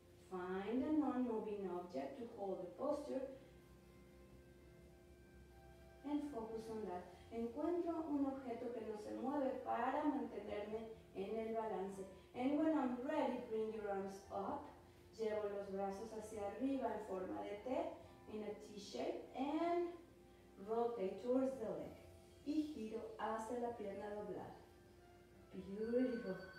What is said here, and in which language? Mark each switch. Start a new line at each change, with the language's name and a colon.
English: Find a non-moving object to hold the posture and focus on that.
Spanish: encuentro un objeto que no se mueve para mantenerme en el balance.
English: And when I'm ready, bring your arms up.
Spanish: Llevo los brazos hacia arriba en forma de T,
English: in a T-shape, and rotate towards the leg.
Spanish: Y giro hacia la pierna doblada. Beautiful.